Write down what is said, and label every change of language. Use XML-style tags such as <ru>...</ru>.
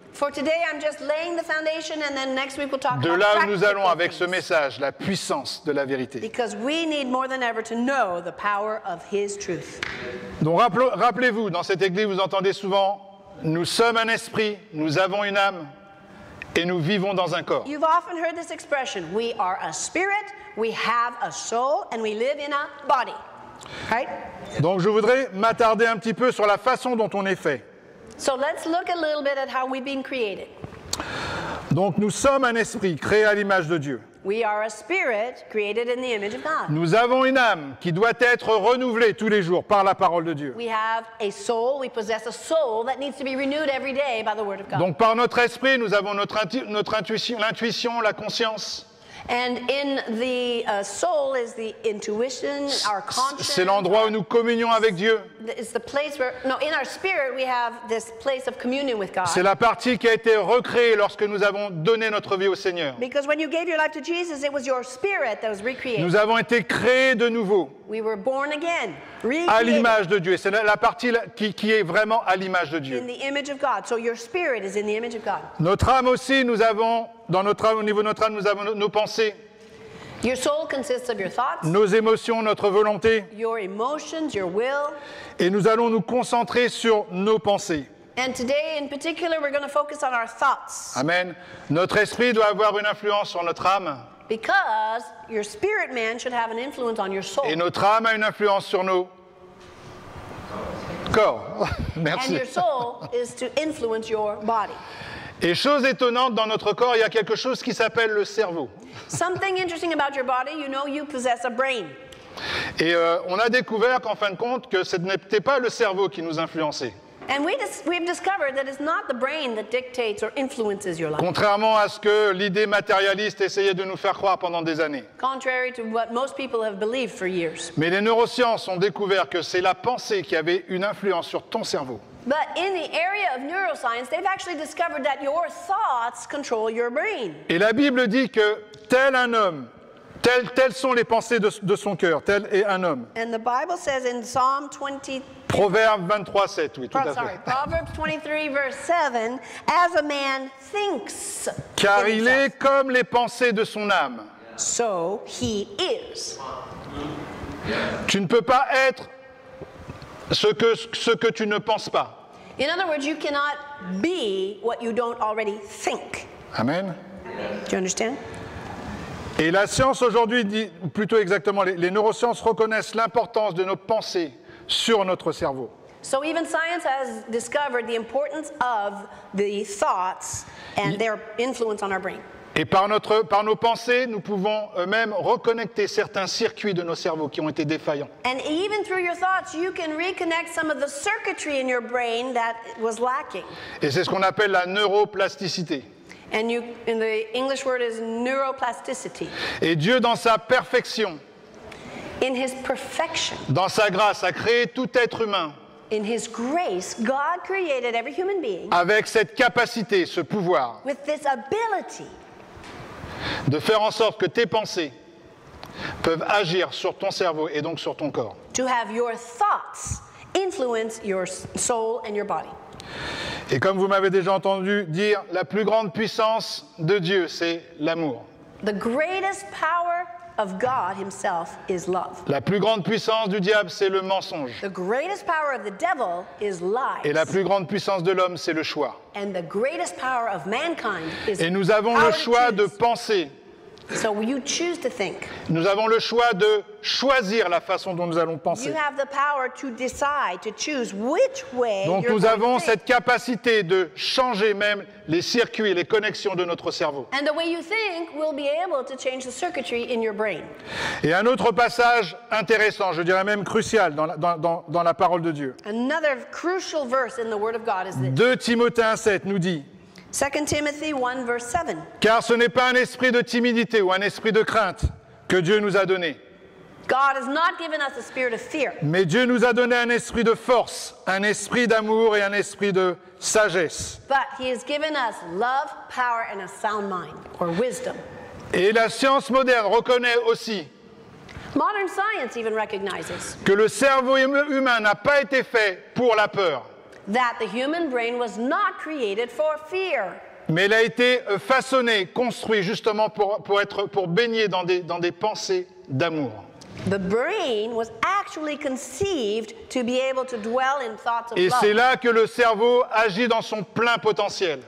<en>For today, I'm just laying the foundation, and then next week we'll talk about practical things.</en> <fr>De là où nous allons avec ce message, la puissance de la vérité.</fr> <en>Because we need more than ever to know the power of His truth.</en> <fr>Donc rappelez-vous, dans cette église, vous entendez souvent, nous sommes un esprit, nous avons une âme, et nous vivons dans un corps.</fr> <en>You've often heard this expression, we are a spirit, we have a soul, and we live in a body. Right?</en> <fr>Donc je voudrais m'attarder un petit peu sur la façon dont on est fait.</fr> <en>So let's look a little bit at how we've been created.</en> <fr>Donc nous sommes un esprit créé à l'image de Dieu.</fr> <en>We are a spirit created in the image of God.</en> <fr>Nous avons une âme qui doit être renouvelée tous les jours par la parole de Dieu.</fr> <en>We have a soul, we possess a soul that needs to be renewed every day by the word of God.</en> <fr>Donc par notre esprit, nous avons notre intuition, l'intuition, la conscience.</fr> <en>And in the soul is the intuition, our conscience.</en> <fr>C'est l'endroit où nous communions avec Dieu.</fr> <en>It's the place where, no, in our spirit we have this place of communion with God.</en> <fr>C'est la partie qui a été recréée lorsque nous avons donné notre vie au Seigneur.</fr> <en>Because when you gave your life to Jesus, it was your spirit that was recreated.</en> <fr>Nous avons été créés de nouveau.</fr> <en>We were born again, recreated.</en> <fr>À l'image de Dieu. C'est la partie qui est vraiment à l'image de Dieu.</fr> <en>In the image of God. So your spirit is in the image of God.</en> <fr>Notre âme aussi, nous avons. Dans notre âme, au niveau de notre âme, nous avons nos pensées.</fr> <en>Your soul consists of your thoughts,</en> <fr>nos émotions, notre volonté.</fr> <en>Your emotions, your will.</en> <fr>Et nous allons nous concentrer sur nos pensées.</fr> <en>And today, in particular, we're going to focus on our thoughts. Amen.</en> <fr>Notre esprit doit avoir une influence sur notre âme.</fr> <en>Because your spirit man should have an influence on your soul.</en> <fr>Et notre âme a une influence sur nos corps. Merci.</fr> <en>And your soul is to influence your body.</en> <fr>Et chose étonnante, dans notre corps, il y a quelque chose qui s'appelle le cerveau.</fr> <en>Something interesting about your body, you know you possess a brain.</en> <fr>Et on a découvert qu'en fin de compte, que ce n'était pas le cerveau qui nous influençait.</fr> <en>And we've discovered that it's not the brain that dictates or influences your life.</en> <fr>Contrairement à ce que l'idée matérialiste essayait de nous faire croire pendant des années.</fr> <en>Contrary to what most people have believed for years.</en> <fr>Mais les neurosciences ont découvert que c'est la pensée qui avait une influence sur ton cerveau.</fr> <en>But in the area of neuroscience, they've actually discovered that your thoughts control your brain.</en> <fr>Et la Bible dit que tel un homme, telles sont les pensées de son cœur, tel est un homme.</fr> <en>And the Bible says in Psalm 23...</en> <fr>Proverbe 23:7, oui, tout à fait.</fr> <en>Proverbs 23, verse 7, as a man thinks...</en> <fr>Car il est comme les pensées de son âme.</fr> <en>So he is.</en> <fr>Tu ne peux pas être... Ce que tu ne penses pas.</fr> <en>In other words, you cannot be what you don't already think. Amen. Do you understand?</en> <fr>Et la science aujourd'hui dit, plutôt exactement, les neurosciences reconnaissent l'importance de nos pensées sur notre cerveau.</fr> <en>So even science has discovered the importance of the thoughts and their influence on our brain.</en> <fr>Et par nos pensées, nous pouvons eux-mêmes reconnecter certains circuits de nos cerveaux qui ont été défaillants.</fr> <en>And even through your thoughts, you can reconnect some of the circuitry in your brain that was lacking.</en> <fr>Et c'est ce qu'on appelle la neuroplasticité.</fr> <en>And in the English word is neuroplasticity.</en> <fr>Et Dieu, dans sa perfection,</fr> <en>in his perfection,</en> <fr>dans sa grâce, a créé tout être humain.</fr> <en>In his grace, God created every human being.</en> <fr>Avec cette capacité, ce pouvoir.</fr> <en>With this ability.</en> <fr>De faire en sorte que tes pensées peuvent agir sur ton cerveau et donc sur ton corps.</fr> <en>To have your thoughts influence your soul and your body.</en> <fr>Et comme vous m'avez déjà entendu dire, la plus grande puissance de Dieu, c'est l'amour.</fr> <en>The greatest power of God himself is love.</en> <fr>La plus grande puissance du diable, c'est le mensonge.</fr> <en>The greatest power of the devil is lies.</en> <fr>Et la plus grande puissance de l'homme, c'est le choix.</fr> <en>And the greatest power of mankind is</en> <fr>et nous avons le choix de penser</fr> <en>So you choose to think.</en> <fr>Nous avons le choix de choisir la façon dont nous allons penser.</fr> <en>You have the power to decide, to choose which way.</en> <fr>Donc nous avons cette capacité de changer même les circuits, les connexions de notre cerveau.</fr> <en>And the way you think will be able to change the circuitry in your brain.</en> <fr>Et un autre passage intéressant, je dirais même crucial dans la parole de Dieu.</fr> <en>Another crucial verse in the word of God is this.</en> <fr>2 Timothée 1:7 nous dit</fr> <en>2 Timothy 1, verse 7.</en> <fr>Car ce n'est pas un esprit de timidité ou un esprit de crainte que Dieu nous a donné.</fr> <en>God has not given us a spirit of fear.</en> <fr>Mais Dieu nous a donné un esprit de force, un esprit d'amour et un esprit de sagesse.</fr> <en>But he has given us love, power and a sound mind, or wisdom.</en> <fr>Et la science moderne reconnaît aussi</fr> <en>Modern science even recognizes</en> <fr>que le cerveau humain n'a pas été fait pour la peur.</fr> <en>That the human brain was not created for fear.</en> <fr>Mais il a été façonné, construit justement pour baigner dans des pensées d'amour.</fr> <en>The brain was actually conceived to be able to dwell in thoughts of love.</en> <fr>Et c'est là que le cerveau agit dans son plein potentiel.</fr>